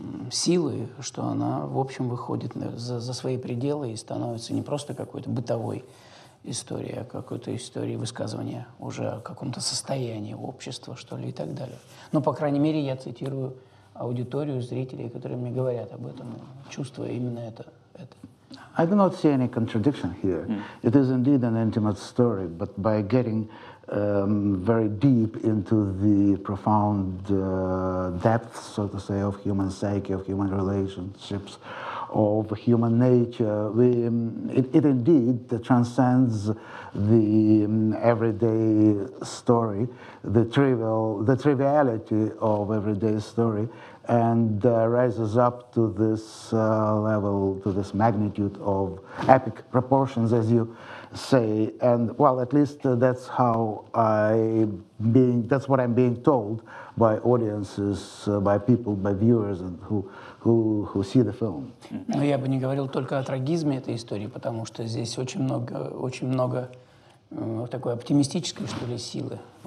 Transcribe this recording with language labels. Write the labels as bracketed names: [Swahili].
[Russian] силы, что она, в общем, выходит за свои пределы и становится не просто какой-то бытовой историей, а какой-то историей высказывания уже о каком-то состоянии общества, что ли, и так далее. Но, по крайней мере, я цитирую аудиторию, зрителей, которые мне говорят об этом, чувствуя именно это. [English] I do not see any contradiction here. It is indeed an intimate story, but by getting very deep into the profound depths, so to say, of human psyche, of human relationships, of human nature, it indeed transcends the everyday story, the triviality of everyday story, and rises up to this level, to this magnitude of epic proportions, as you say. And well, at least that's what I'm being told by audiences, by people, by viewers, and who see the film. [Russian] Но я бы не говорил только о трагизме этой истории, потому что здесь очень много такой оптимистической, что ли, силы.